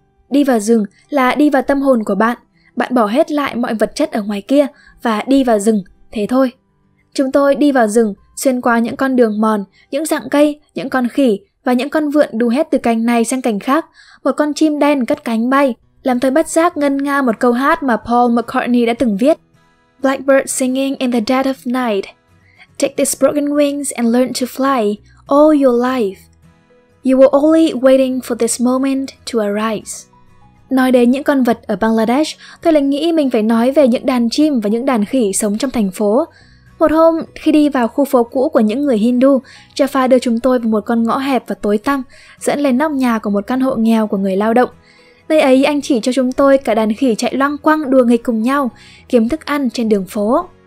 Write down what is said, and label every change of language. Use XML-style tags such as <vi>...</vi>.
<vi>Đi vào rừng là đi vào tâm hồn của bạn, bạn bỏ hết lại mọi vật chất ở ngoài kia và đi vào rừng, thế thôi. Chúng tôi đi vào rừng, xuyên qua những con đường mòn, những rặng cây, những con khỉ và những con vượn đu hết từ cành này sang cành khác, một con chim đen cất cánh bay. Làm tôi bất giác ngân nga một câu hát mà Paul McCartney đã từng viết.</vi> <en>Blackbird singing in the dead of night. Take these broken wings and learn to fly all your life. You were only waiting for this moment to arise.</en> <vi>Nói đến những con vật ở Bangladesh, tôi lại nghĩ mình phải nói về những đàn chim và những đàn khỉ sống trong thành phố. Một hôm, khi đi vào khu phố cũ của những người Hindu, Jaffa đưa chúng tôi vào một con ngõ hẹp và tối tăm, dẫn lên nóc nhà của một căn hộ nghèo của người lao động. Nơi ấy anh chỉ cho chúng tôi cả đàn khỉ chạy loang quăng đùa nghịch cùng nhau, kiếm thức ăn trên đường phố.</vi>